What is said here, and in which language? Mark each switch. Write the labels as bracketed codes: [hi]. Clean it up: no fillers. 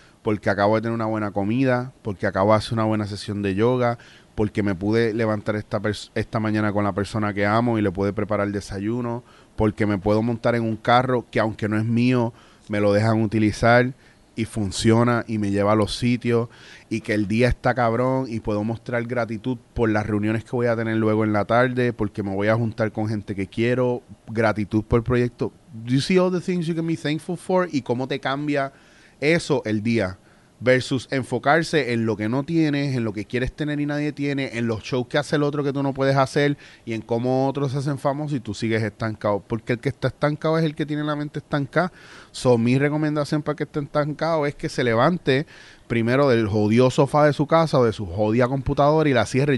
[es] porque acabo de tener una buena comida, porque acabo de hacer una buena sesión de yoga, porque me pude levantar esta mañana con la persona que amo y le pude preparar el desayuno, porque me puedo montar en un carro que aunque no es mío, me lo dejan utilizar y funciona y me lleva a los sitios, y que el día está cabrón y puedo mostrar gratitud por las reuniones que voy a tener luego en la tarde, porque me voy a juntar con gente que quiero, gratitud por el proyecto. [en] Do you see all the things you can be thankful for? [es] Y cómo te cambia eso el día, versus enfocarse en lo que no tienes, en lo que quieres tener y nadie tiene, en los shows que hace el otro que tú no puedes hacer, y en cómo otros se hacen famosos y tú sigues estancado. Porque el que está estancado es el que tiene la mente estancada. So, mi recomendación para que esté estancado es que se levante primero del jodido sofá de su casa o de su jodida computadora y la cierre.